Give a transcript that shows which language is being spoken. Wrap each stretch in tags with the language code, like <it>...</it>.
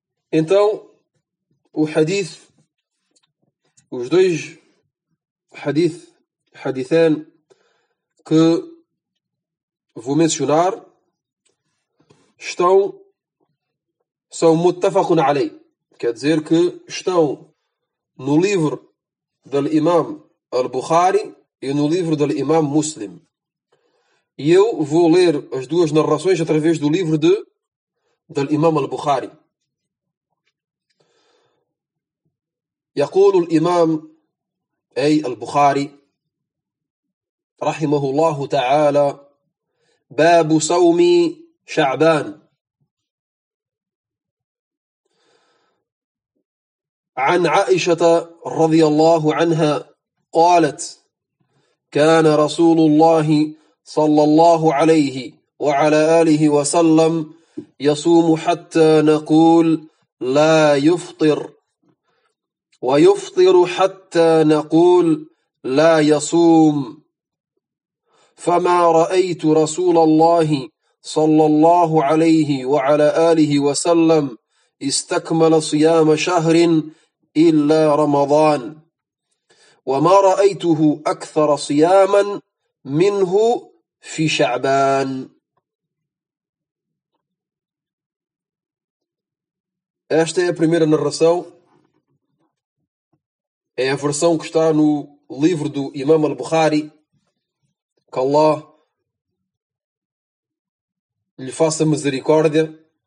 <pt>Então, o hadith, os dois hadithan que vou mencionar são muttafaqun alay, quer dizer que estão no livro do Imam al-Bukhari e no livro do Imam Muslim. E eu vou ler as duas narrações através do livro do Imam al-Bukhari.</pt> <ar>يقول الإمام أي البخاري رحمه الله تعالى باب صوم شعبان عن عائشة رضي الله عنها قالت كان رسول الله صلى الله عليه وعلى آله وسلم يصوم حتى نقول لا يفطر ويفطر حتى نقول لا يصوم فما رأيت رسول الله صلى الله عليه وعلى آله وسلم استكمل صيام شهر إلا رمضان وما رأيته أكثر صياما منه في شعبان.</ar> <pt>Esta é a primeira narração. É a versão que está no livro do Imam al-Bukhari. Que Allah lhe faça misericórdia.</pt>